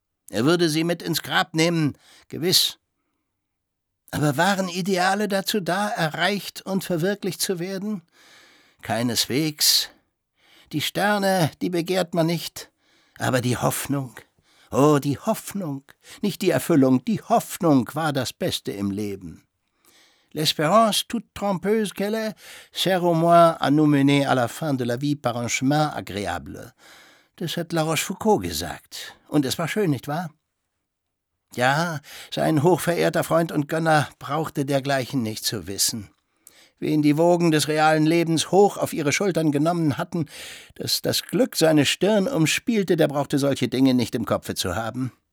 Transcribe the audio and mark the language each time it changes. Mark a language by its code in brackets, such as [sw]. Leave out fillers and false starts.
[de] Er würde sie mit ins Grab nehmen, gewiss. Aber waren Ideale dazu da, erreicht und verwirklicht zu werden? Keineswegs. Die Sterne, die begehrt man nicht, aber die Hoffnung. Oh, die Hoffnung, nicht die Erfüllung, die Hoffnung war das Beste im Leben. [fr] L'espérance toute trompeuse qu'elle est, sert au moins à nous mener à la fin de la vie par un chemin agréable. [de] Das hat La Rochefoucauld gesagt. Und es war schön, nicht wahr? Ja, sein hochverehrter Freund und Gönner brauchte dergleichen nicht zu wissen. Wen die Wogen des realen Lebens hoch auf ihre Schultern genommen hatten, dass das Glück seine Stirn umspielte, der brauchte solche Dinge nicht im Kopfe zu haben.